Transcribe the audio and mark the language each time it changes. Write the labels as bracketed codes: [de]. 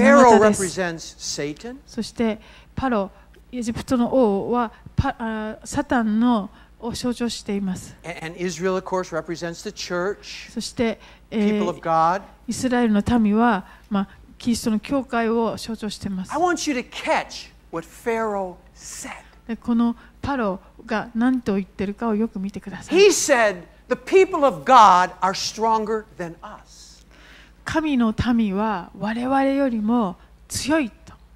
[ja] の型です。 [en] Pharaoh represents Satan. [ja] そしてパロ、エジプトの王はサタンのを象徴しています。 [en] And Israel, of course, represents the church. [ja] そして、 [en] people of God. [ja] イスラエルの民は、まあキリストの教会を象徴しています。 [en] I want you to catch what Pharaoh said. [ja] で、このパロが何と言ってるかをよく見てください。 [en] He said, "The people of God are stronger than us." [ja] 神の民は我々よりも強いと。